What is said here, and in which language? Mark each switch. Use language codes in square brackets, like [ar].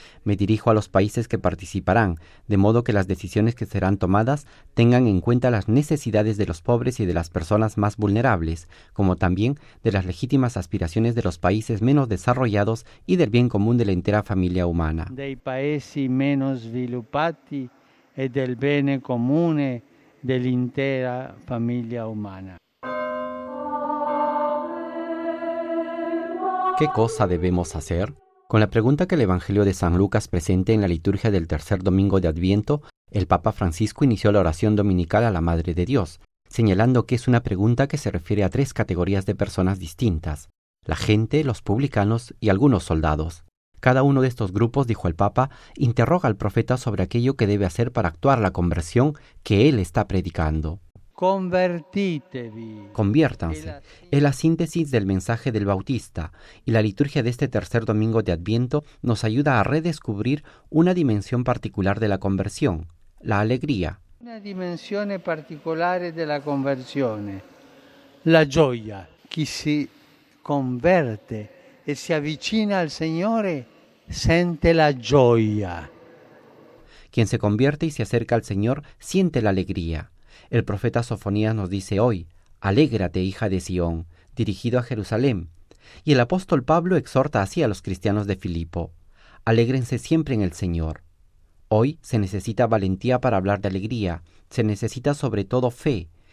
[es] Me dirijo a los países que participarán, de modo que las decisiones que serán tomadas tengan en cuenta las necesidades de los pobres y de las personas más vulnerables, como también de las legítimas aspiraciones de los países menos desarrollados y del bien común de la entera familia humana. [it] Dei paesi meno sviluppati e del bene comune dell'intera famiglia umana. [es] ¿Qué cosa debemos hacer? Con la pregunta que el Evangelio de San Lucas presenta en la liturgia del tercer domingo de Adviento, el Papa Francisco inició la oración dominical a la Madre de Dios, señalando que es una pregunta que se refiere a tres categorías de personas distintas: la gente, los publicanos y algunos soldados. Cada uno de estos grupos, dijo el Papa, interroga al profeta sobre aquello que debe hacer para actuar la conversión que él está predicando. [it] Convertitevi. [es] Conviértanse. Es la síntesis del mensaje del Bautista, y la liturgia de este tercer domingo de Adviento nos ayuda a redescubrir una dimensión particular de la conversión, la alegría. Una dimensión particular de la conversión, la gioia. [it] Chi si converte e si avvicina al Signore sente la gioia. [es] Quien se convierte y se acerca al Señor siente la alegría. El profeta Sofonías nos dice hoy: alégrate, hija de Sion, dirigido a Jerusalén. Y el apóstol Pablo exhorta así a los cristianos de Filipo: alégrense siempre en el Señor. Hoy se necesita valentía para hablar de alegría, se necesita sobre todo fe.